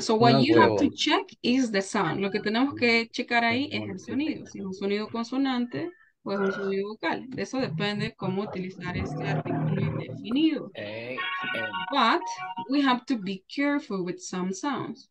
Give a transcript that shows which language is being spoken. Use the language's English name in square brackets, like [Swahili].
[English] So what you have to check is the sound. [Spanish] Lo que tenemos que checar ahí es el sonido. Si es un sonido consonante o es un sonido vocal. De eso depende cómo utilizar este artículo indefinido. [English] But we have to be careful with some sounds.